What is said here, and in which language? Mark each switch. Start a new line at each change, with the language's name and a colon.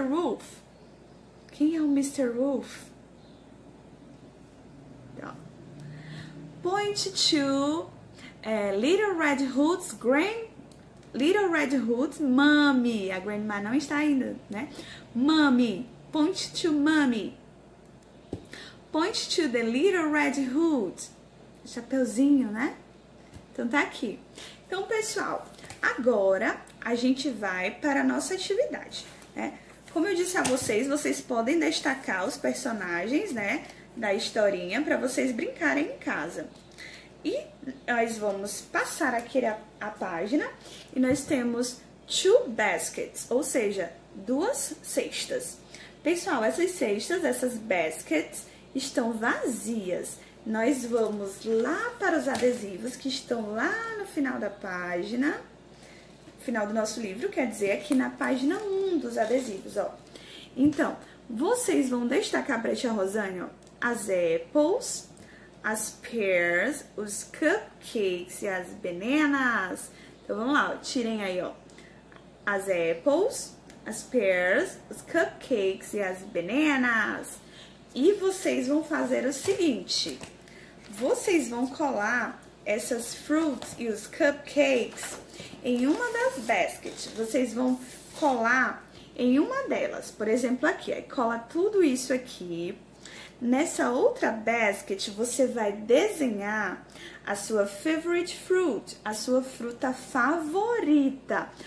Portuguese: Wolf. Quem é o Mr. Wolf?
English: Point to Little Red Hood's Little Red Hood's Mommy.
Portuguese: A grandma não está ainda, né?
English: Mommy. Point to Mommy. Point to the Little Red Hood.
Portuguese: Chapeuzinho, né? Então tá aqui. Então, pessoal, agora a gente vai para a nossa atividade, né? Como eu disse a vocês, vocês podem destacar os personagens, né, da historinha para vocês brincarem em casa. E nós vamos passar aqui a página e nós temos
English: two baskets,
Portuguese: ou seja, duas cestas. Pessoal, essas cestas, essas baskets, estão vazias. Nós vamos lá para os adesivos que estão lá no final da página. final do nosso livro, quer dizer, aqui na página 1 dos adesivos, ó. Então, vocês vão destacar pra tia Rosane, ó, as apples, as pears, os cupcakes e as bananas. Então, vamos lá, ó, tirem aí, ó, as apples, as pears, os cupcakes e as bananas. E vocês vão fazer o seguinte, vocês vão colar essas fruits e os cupcakes em uma das baskets. Vocês vão colar em uma delas, por exemplo, aqui. Aí cola tudo isso aqui. Nessa outra basket, você vai desenhar a sua
English: favorite fruit,
Portuguese: a sua fruta favorita.